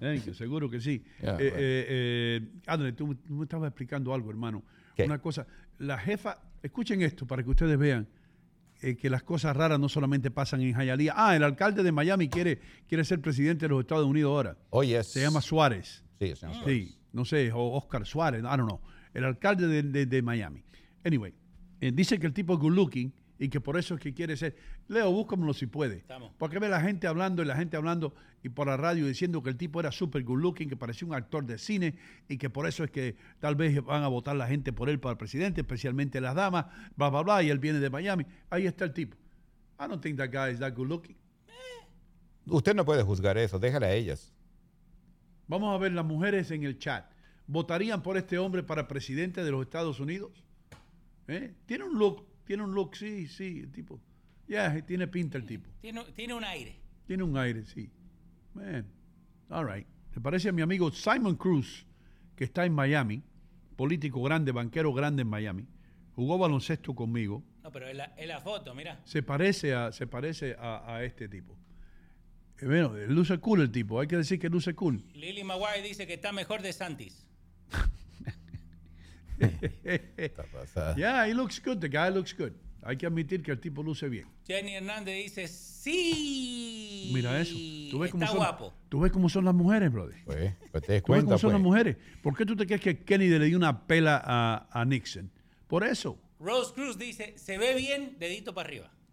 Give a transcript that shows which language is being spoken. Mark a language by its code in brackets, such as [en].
[en] Thank you. [es] Seguro que sí. Yeah, André, tú me estabas explicando algo, hermano. ¿Qué? Una cosa, la jefa, escuchen esto para que ustedes vean que las cosas raras no solamente pasan en Hialeah. Ah, el alcalde de Miami quiere ser presidente de los Estados Unidos ahora. [en] Oh, yes. [es] Se llama Suárez. Sí, se llama Suárez. Sí, no sé, o Oscar Suárez, [en] I don't know. [es] El alcalde de Miami. Anyway, dice que el tipo es good looking y que por eso es que quiere ser. Leo, búscamelo si puede. Estamos. Porque ve la gente hablando y por la radio diciendo que el tipo era super good looking, que parecía un actor de cine y que por eso es que tal vez van a votar la gente por él para el presidente, especialmente las damas, bla, bla, bla, y él viene de Miami. Ahí está el tipo. [en] I don't think that guy is that good looking. [es] Usted no puede juzgar eso. Déjale a ellas. Vamos a ver las mujeres en el chat. ¿Votarían por este hombre para presidente de los Estados Unidos? ¿Eh? Tiene un look, sí, el tipo. Ya, yeah, tiene pinta el tipo. Tiene un aire. Tiene un aire, sí. [en] Man, all right. [es] Se parece a mi amigo Simon Cruz, que está en Miami, político grande, banquero grande en Miami. Jugó baloncesto conmigo. No, pero en la foto, mira. Se parece a este tipo. Bueno, luce cool el tipo, hay que decir que luce cool. Lily Maguire dice que está mejor de Santis. [en] Ya, yeah, he looks good, the guy looks good. [es] Hay que admitir que el tipo luce bien. Jenny Hernández dice, sí. Mira eso. ¿Tú ves está cómo guapo. Son, tú ves cómo son las mujeres, brother. Pues te des cuenta, ¿tú ves cómo pues son las mujeres? ¿Por qué tú te crees que Kennedy le dio una pela a Nixon? Por eso. Rose Cruz dice, se ve bien, dedito para arriba.